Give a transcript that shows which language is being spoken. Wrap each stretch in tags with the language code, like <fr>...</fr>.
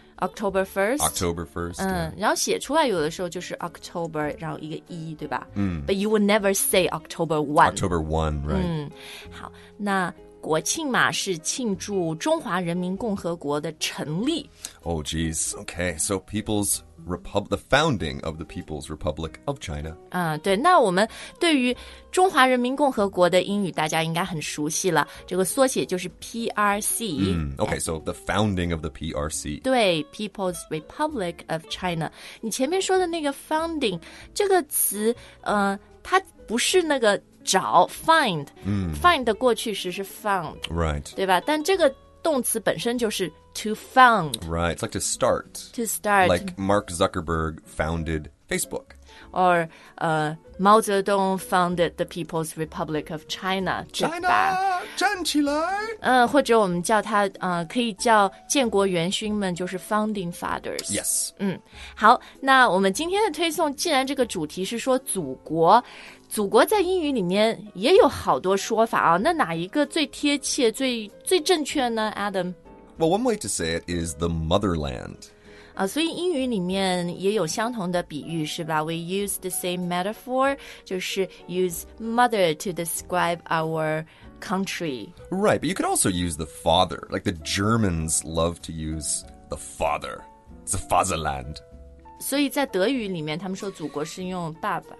<en>October 1st. October 1st.</en> <zh>嗯，然后写出来有的时候就是 October， 然后一个一，对吧？嗯。</zh> <en>But you would never say October 1. October 1, right?</en> <zh>嗯，好，那国庆嘛是庆祝中华人民共和国的成立。</zh> <en>Oh, geez. Okay, so people's the founding of the People's Republic of China.</en> <zh>对，那我们对于中华人民共和国的英语大家应该很熟悉了，这个缩写就是 PRC.</zh> <en>Okay, so the founding of the PRC.</en> <zh>对， People's Republic of China. 你前面说的那个 founding, 这个词它不是那个找 find,find 的过去时是 found,</zh> <en>right?</en> <zh>对吧？但这个动词本身就是 to found,</zh> <en>right? It's like to start, to start, like Mark Zuckerberg founded Facebook, or Mao Zedong founded the People's Republic of China,</en> <zh>China 站起来。或者我们叫它可以叫建国元勋们，就是 founding fathers.</zh> <en>Yes.</en> <zh>好，那我们今天的推送，既然这个主题是说祖国。祖国在英语里面也有好多说法啊，那哪一个最贴切、最正确呢 ，Adam？</zh> <en>Well, one way to say it is the motherland.</en> <zh>所以英语里面也有相同的比喻是吧</zh> <en>？We use the same metaphor, 就是 use mother to describe our country. Right, but you could also use the father. Like the Germans love to use the father, the Fatherland.</en> <zh>所以在德语里面，他们说祖国是用爸爸。</zh>